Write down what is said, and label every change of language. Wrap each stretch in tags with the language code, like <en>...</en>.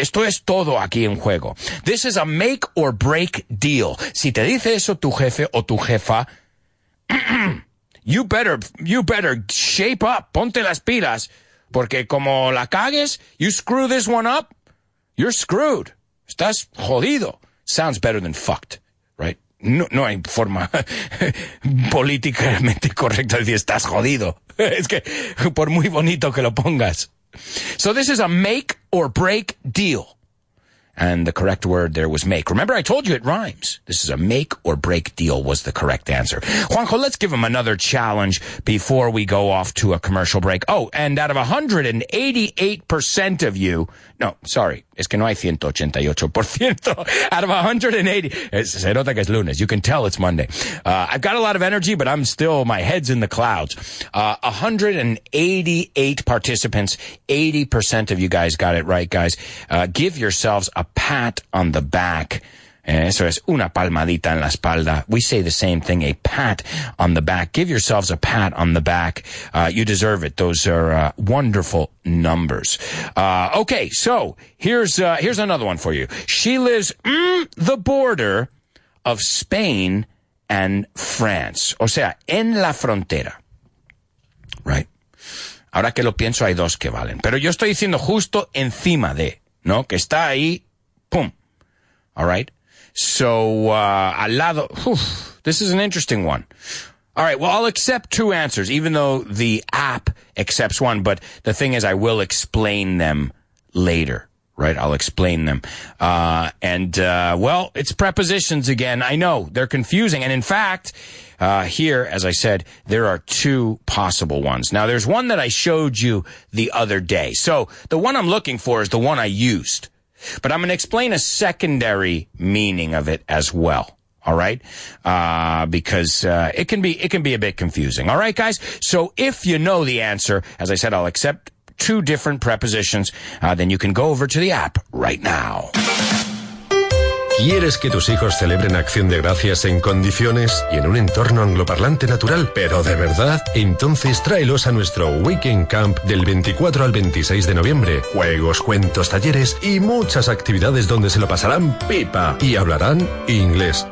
<es>Esto es todo aquí en juego.</es> <en>This is a make or break deal.</en> <es>Si te dice eso tu jefe o tu jefa,</es> <en>you better shape up.</en> <es>Ponte las pilas. Porque como la cagues,</es> <en>you screw this one up, you're screwed.</en> <es>Estás jodido.</es> <en>Sounds better than fucked, right?</en> <es>No hay forma políticamente correcta de decir estás jodido. Es que por muy bonito que lo pongas.</es> <en>So this is a make or break deal. And the correct word there was make. Remember, I told you it rhymes. This is a make or break deal was the correct answer. Juanjo, let's give him another challenge before we go off to a commercial break. Oh, and out of 188% of you, no, sorry,</en> <es>es que no hay 188%,</es> <en>out of 180,</en> <es>se nota que es lunes,</es> <en>you can tell it's Monday. I've got a lot of energy, but I'm still, my head's in the clouds. 188 participants, 80% of you guys got it right, guys. Give yourselves a pat on the back.</en> <es>Eso es una palmadita en la espalda.</es> <en>We say the same thing, a pat on the back. Give yourselves a pat on the back. You deserve it. Those are wonderful numbers. Okay, so here's another one for you. She lives the border of Spain and France.</en> <es>O sea, en la frontera.</es> <en>Right.</en> <es>Ahora que lo pienso, hay dos que valen. Pero yo estoy diciendo justo encima de, ¿no? Que está ahí. Boom.</es> <en>All right.</en> <es>So, al lado.</es> <en>Whew, this is an interesting one. All right. Well, I'll accept two answers, even though the app accepts one. But the thing is, I will explain them later. right? I'll explain them. Well, it's prepositions again. I know they're confusing. And in fact, here, as I said, there are two possible ones. Now, there's one that I showed you the other day. So the one I'm looking for is the one I used. But I'm going to explain a secondary meaning of it as well. All right. Because it can be a bit confusing. All right, guys. So if you know the answer, as I said, I'll accept two different prepositions. Then you can go over to the app right now.</en> <es>¿Quieres que tus hijos celebren Acción de Gracias en condiciones y en un entorno angloparlante natural, pero de verdad? Entonces tráelos a nuestro Weekend Camp del 24 al 26 de noviembre. Juegos, cuentos, talleres y muchas actividades donde se lo pasarán pipa y hablarán inglés.</es>